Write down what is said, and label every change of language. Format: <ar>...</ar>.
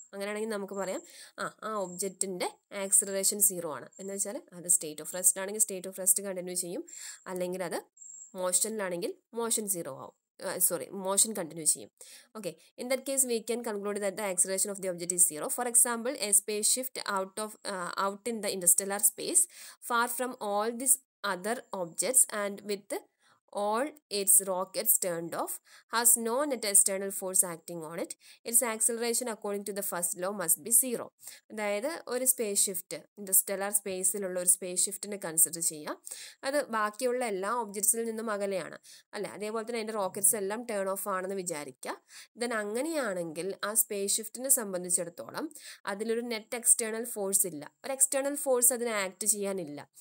<ml>അങ്ങനെയാണെങ്കിൽ നമുക്ക് പറയാം ആ ഒബ്ജക്റ്റിൻ്റെ ആക്സിലറേഷൻ സീറോ ആണ്. എന്ന് വെച്ചാൽ അത് സ്റ്റേറ്റ് ഓഫ് റെസ്റ്റ് ആണെങ്കിൽ സ്റ്റേറ്റ് ഓഫ് റെസ്റ്റ് കണ്ടിന്യൂ ചെയ്യും, അല്ലെങ്കിൽ അത് മോഷനിലാണെങ്കിൽ മോഷൻ സീറോ ആവും, സോറി മോഷൻ കണ്ടിന്യൂ ചെയ്യും.</ml> <en>Okay, in that case we can conclude that the acceleration of the object is zero. For example a spaceship out in the interstellar space far from all this other objects and with all its rockets turned off has no net external force acting on it, its acceleration according to the first law must be zero.</en> <ml>അതായത് ഒരു space shift Interstellar സ്പേസിലുള്ള ഒരു space ഷിഫ്റ്റിനെ consider ചെയ്യുക, അത് ബാക്കിയുള്ള എല്ലാ ഒബ്ജക്ട്സിൽ നിന്നും അകലെയാണ് അല്ലെ. അതേപോലെ തന്നെ അതിൻ്റെ റോക്കറ്റ്സ് എല്ലാം ടേൺ ഓഫ് ആണെന്ന് വിചാരിക്കുക. ദൻ അങ്ങനെയാണെങ്കിൽ ആ സ്പേസ് ഷിഫ്റ്റിനെ സംബന്ധിച്ചിടത്തോളം അതിലൊരു നെറ്റ് എക്സ്റ്റേണൽ ഫോഴ്സ് ഇല്ല, ഒരു എക്സ്റ്റേണൽ ഫോഴ്സ് അതിനെ ആക്ട് ചെയ്യാനില്ല.</ml>